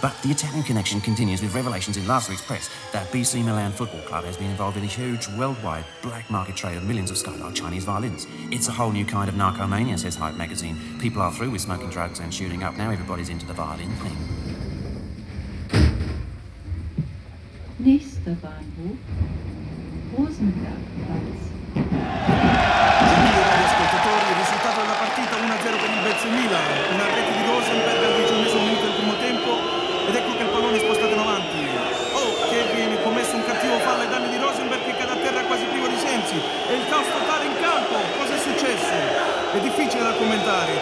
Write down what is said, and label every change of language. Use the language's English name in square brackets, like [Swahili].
[English] But the Italian connection continues with revelations in last week's press that BC Milan Football Club has been involved in a huge worldwide black market trade of millions of skylight Chinese violins. It's a whole new kind of narcomania, says Hype magazine. People are through with smoking drugs and shooting up. Now everybody's into the violin thing. [German] Nächster Bahnhof, Rosenbergplatz. [Italian] Ascoltatori, il risultato della partita 1-0 per il Vezzo Milan. Una rete di Rosenberg al 21° minuto del primo tempo. Ed ecco che il pallone è spostato in avanti. Oh, che viene commesso un cattivo fallo ai danni di Rosenberg, che cade a terra quasi privo di sensi. E il caos totale in campo. Cosa è successo? È difficile da commentare.